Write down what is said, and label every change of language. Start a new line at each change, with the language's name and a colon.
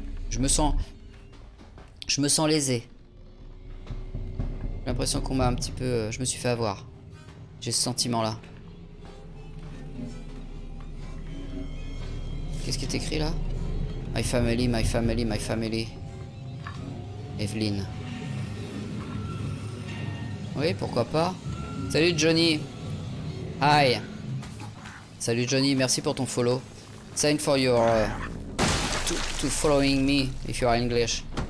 French: Je me sens lésé. J'ai l'impression qu'on m'a un petit peu. Je me suis fait avoir. J'ai ce sentiment-là. Qu'est-ce qui est écrit là?
English: My family, my family, my family. Evelyn.
French: Oui, pourquoi pas. Salut Johnny. Hi. Salut Johnny, merci pour ton follow.
English: Thanks for your to following me if you are English.